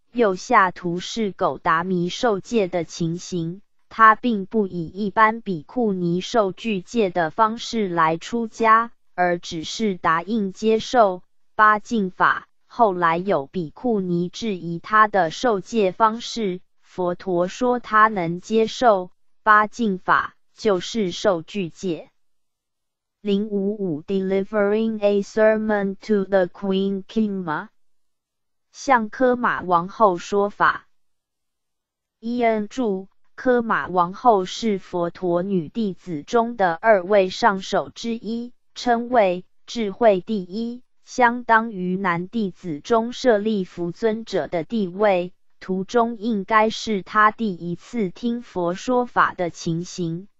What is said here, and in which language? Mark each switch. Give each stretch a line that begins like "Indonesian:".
Chinese: 右下图是苟达弥受戒的情形，他并不以一般比库尼受具戒的方式来出家，而只是答应接受八净法。后来有比库尼质疑他的受戒方式，佛陀说他能接受八净法就是受具戒。
English: 055 Delivering a sermon to the Queen Kimma，
Chinese: 向科马王后说法。伊恩著，科马王后是佛陀女弟子中的二位上首之一，称为智慧第一，相当于男弟子中舍利弗尊者的地位。图中应该是他第一次听佛说法的情形。